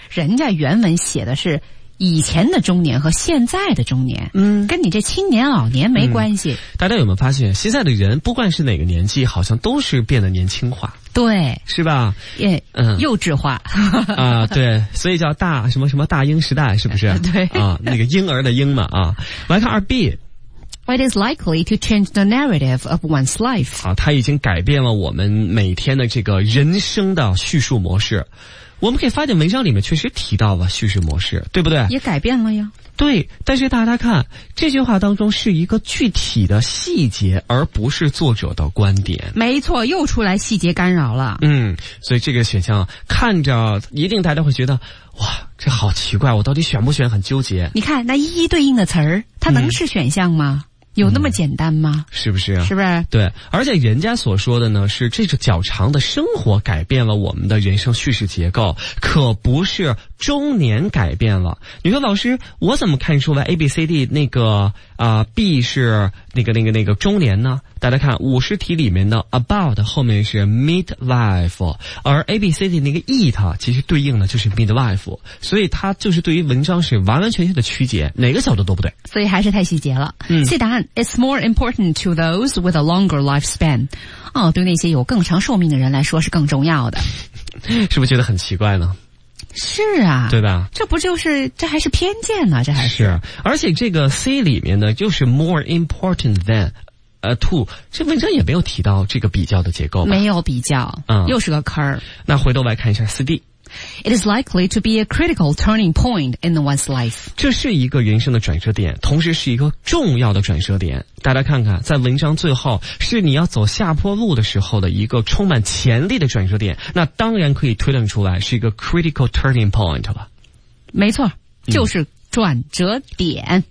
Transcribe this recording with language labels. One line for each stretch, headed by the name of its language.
Chinese: 人家原文写的是以前的中年和现在的中年，嗯，跟你这青年老年没关系。嗯，大家有没有发现现在的人不管是哪个年纪好像都是变得年轻化。对，是吧，也幼稚化啊。嗯对，所以叫大什么什么大婴时代，是不是？对啊，那个婴儿的婴嘛啊。来看二 B。
English: It is likely to change the narrative of one's life.
Chinese: 啊，它已经改变了我们每天的这个人生的叙述模式。我们可以发现文章里面确实提到了叙事模式，对不对？也改变了呀。对，但是大家看，这句话当中是一个具体的细节，而不是作者的观点。没错，又出来细节干扰了。嗯，所以这个选项看着一定大家会觉得，哇，这好奇怪，我到底选不选，很纠结。你看，那一一对应的词儿，它能是选项吗？嗯，有那么简单吗？嗯，是不是啊？是不是？对，而且人家所说的呢，是这种较长的生活改变了我们的人生叙事结构，可不是中年改变了。你说老师，我怎么看出来 ABCD 那个B 是那个中年呢？大家看五十题里面的 about 后面是 midlife， 而 ABCD 那个 it 其实对应的就是 midlife， 所以它就是对于文章是完完全全的曲解，哪个角度都不对，所以还是太细节了。嗯，细答案
English: It's more important to those with a longer lifespan。
Chinese: 哦，对那些有更长寿命的人来说是更重要的。是不是觉得很奇怪呢？是啊，对吧，这不就是，这还是偏见呢，这还是而且这个 C 里面呢就是
English: more important than to，
Chinese: 这文章也没有提到这个比较的结构吧，没有比较。嗯，又是个坑。那回头来看一下 4D。
English: It is likely to be a critical turning point in one's life。
Chinese: 这是一个人生的转折点，同时是一个重要的转折点。大家看看，在文章最后是你要走下坡路的时候的一个充满潜力的转折点，那当然可以推论出来是一个
English: critical turning point
Chinese: 了。没错，就是转折点。嗯，